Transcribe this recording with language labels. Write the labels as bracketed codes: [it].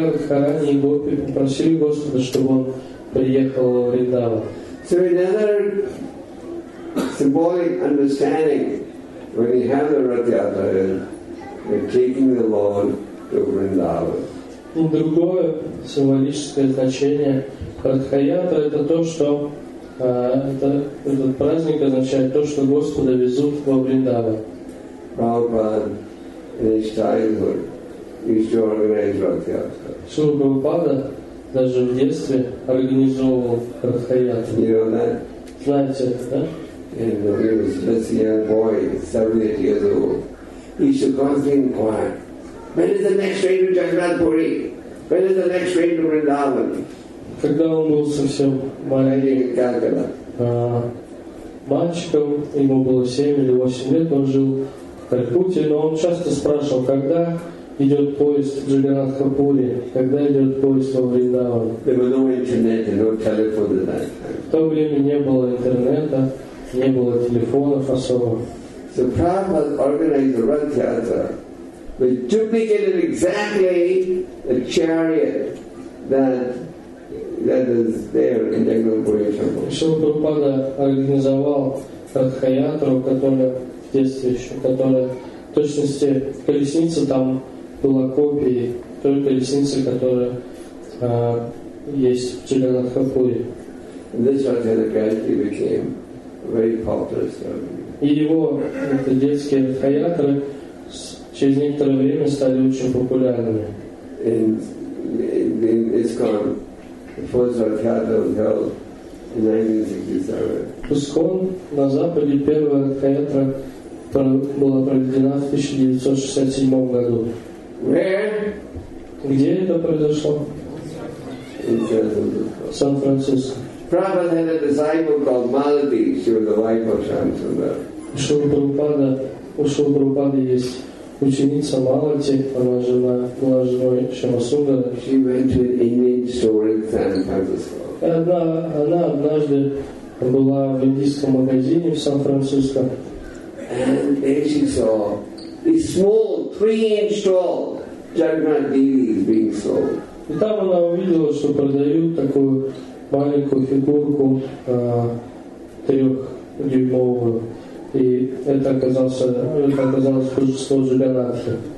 [ru] Радхарани и Гопи попросили Господа, чтобы он приехал во Вриндаван. [en] So another symbolic understanding when you have the Rath Yatra is taking the Lord to Vrindavan. [ru] Другое символическое значение Радхаятра — это то, что этот праздник означает то, что Господа везут во Вриндаван. [en] Prabhupada in his childhood used to organize Rath Yatra. [ru] Шрила Прабхупада даже в детстве организовывал Радхаятру. [en] You know that? [ru] Знаете это, да? [en] And when he was just a young boy, 7-8 years old, he should constantly inquire, when is the next train to Jagannath Puri? When is the next train to Vrindavan? [ru] Когда он был совсем маленьким, мальчиком, ему было 7 или 8 лет, он жил в Калькутте, но он часто спрашивал, когда идет поезд в Джаганатха Пури, когда идет поезд во Вриндаван. [en] There was no internet and no telephone at that time. [ru] В то время не было интернета, не было телефонов особого. [en] So Prabhupada organized the Rath Yatra, which duplicated exactly the chariot that is there in Jagannath Puri. [ru] Шрила Прабхупада организовал Ратха Ятру, которая в точности колесница там была копией той колесницы, которая есть в Джаганатха Пури. [en] This Rath Yatra gradually became very popular ceremony. [ru] И его это детские хаятры через некоторое время стали очень популярными. [en] In ISKCON, the first Rath Yatra was held in 1967. [ru] ISKCON на Западе первая хаятра была проведена в 1967 году. [en] Where? [ru] Где это произошло? [en] In [ru] Сан-Франциско. [en] Prabhupada had a disciple called Malati. She was the wife of Shyamasundara. [ru] У Шрилы Прабхупады есть ученица Малати. Она жена, была женой Шамасундара. [en] She went to an Indian store in San Francisco. [ru] Она однажды была в индийском магазине в Сан-Франциско. [en] And there she saw a small 3-inch tall Jagannath Devi being sold. [ru] И там она увидела, что продают такую маленькую фигурку 3-дюймовую. И это оказалось божество Джаганатха.